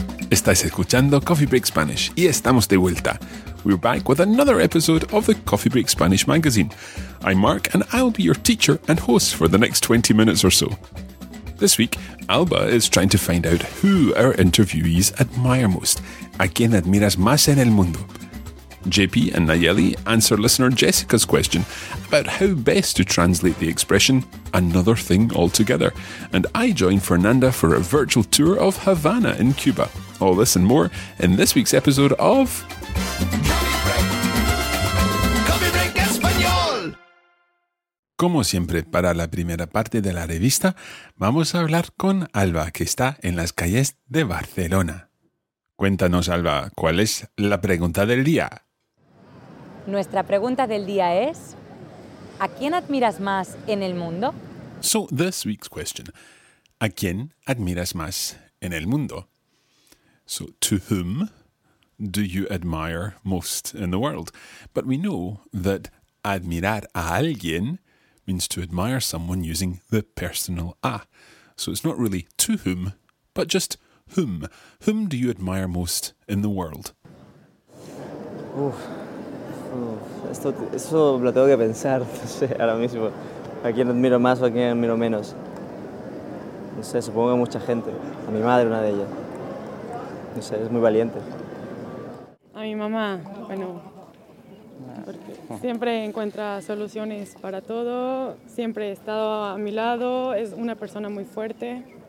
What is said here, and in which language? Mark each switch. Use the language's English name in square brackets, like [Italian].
[Spanish] Estáis escuchando Coffee Break Spanish y estamos de vuelta. [English] We're back with another episode of the Coffee Break Spanish magazine. I'm Mark and I'll be your teacher and host for the next 20 minutes or so. This week, Alba is trying to find out who our interviewees admire most, [Spanish] a quien admiras más en el mundo. [English] JP and Nayeli answer listener Jessica's question about how best to translate the expression another thing altogether. And I join Fernanda for a virtual tour of Havana in Cuba. All this and more in this week's episode of Coffee Break Español. [Spanish] Como siempre, para la primera parte de la revista, vamos a hablar con Alba, que está en las calles de Barcelona. Cuéntanos, Alba, ¿cuál es la pregunta del día? Nuestra pregunta del día es, ¿a quién admiras más en el mundo? [English] So, this week's question, [Spanish] ¿a quién admiras más en el mundo? [English] So, to whom do you admire most in the world? But we know that [Spanish] admirar a alguien [English] means to admire someone using the personal a. So, it's not really to whom, but just whom. Whom do you admire most in the world? [Spanish] Eso lo tengo que pensar, no sé, ahora mismo. ¿A quién admiro más o a quién admiro menos? No sé, supongo que mucha gente. A mi madre, una de ellas. No sé, es muy valiente. A mi mamá, bueno, porque siempre encuentra soluciones para todo, siempre ha estado a mi lado, es una persona muy fuerte.